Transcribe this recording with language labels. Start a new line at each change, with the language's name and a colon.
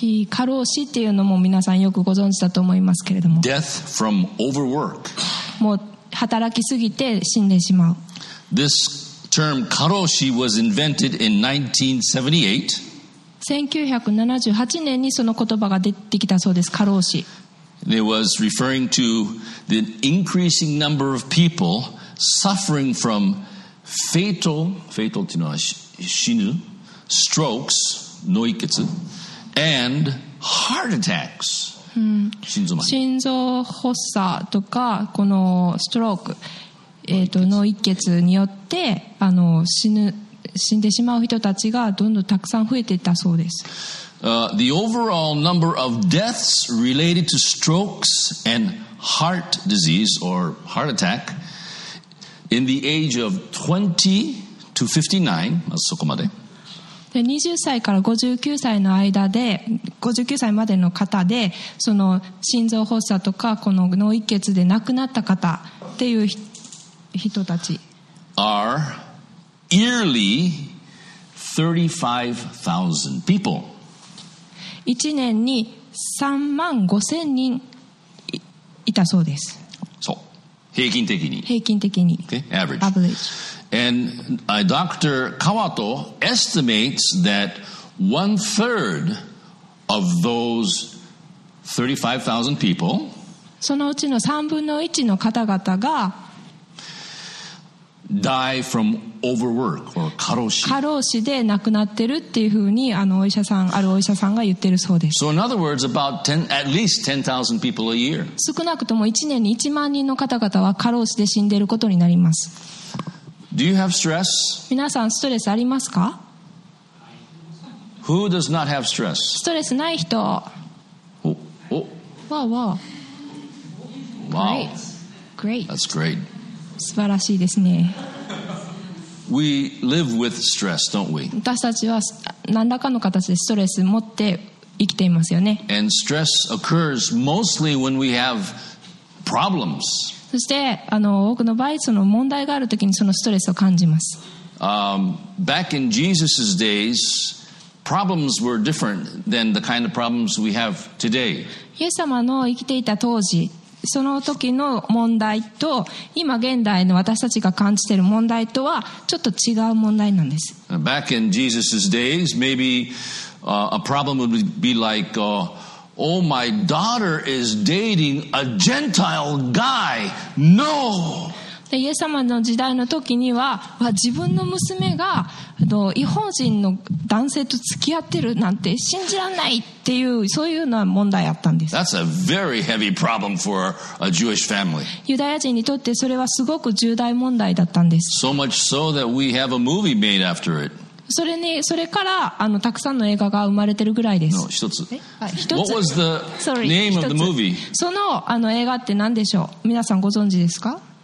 Japanese: 過労死っていうのも皆さんよくご存知だと思いますけれども。
English: Death from overwork.
Japanese: もう働きすぎて死んでしまう。
English: This term 過労死 was invented in 1978.
Japanese: 1978年にその言葉が出てきたそうです。過労死。
English: It was referring to the increasing number of people suffering from fatal
Japanese: というのは死ぬ
English: strokes
Japanese: 脳血
English: and heart attacks、
Japanese: 心臓発作とかこのストローク脳一血によって死んでしまう人たちがどんどんたくさん増えていったそうです。
English: The overall number of deaths related to strokes and heart disease or heart attack in the age of 20 to 59,
Japanese: まずそこまで。で、20歳から59歳の間で、59歳までの方で、その心臓発作とか、この脳一血で亡くなった方っていう人たち
English: are yearly 35,000 people.
Japanese: 1年に35,000人いたそうです。そう、平均的に。平均的に。
English: Okay, average. And Dr. Kawato estimates that one third of those 35,000 people.
Japanese: そのうちの3分の1の方々が
English: die from overwork or 過労死。
Japanese: 過労死で亡くなってるっていうふうにお医者さんあるお医者さんが言ってるそうです。
English: So in other words, about at least 10,000 people a year.
Japanese: 少なくとも1年に1万人の方々は過労死で死んでることになります。
English: Do you have stress?
Japanese: 皆さんストレスありますか
English: ？Who does not have stress?
Japanese: ストレスない人。お、お。わあわあ。
English: Wow. Great. That's great.
Japanese: 素晴らしいですね。
English: We live with stress, don't we?
Japanese: 私たちは何らかの形でストレス持って生きていますよね。
English: And stress occurs mostly when we have problems.
Japanese: そして多くの場合その問題があるときにそのストレスを感じます。
English: Back in Jesus' days, problems were different than the kind of problems we have today.
Japanese: イエス様の生きていた当時その時の問題と今現代の私たちが感じている問題とはちょっと違う問題なんです。
English: Back in Jesus' days, maybe a problem would be like, oh, my daughter is dating a Gentile guy. No!
Japanese: イエス様の時代の時には、自分の娘が異邦人の男性と付き合ってるなんて信じられないっていうそういうような問題あったんです。
English: That's a very heavy problem for a Jewish family.
Japanese: ユダヤ人にとってそれはすごく重大問題だったんです。
English: So much so that we have a movie made after it.
Japanese: それからたくさんの映画が生まれてるぐらいです。
English: No,
Japanese: 一つ。一つ。
English: What was the name of the movie?
Japanese: その映画って何でしょう。皆さんご存知ですか？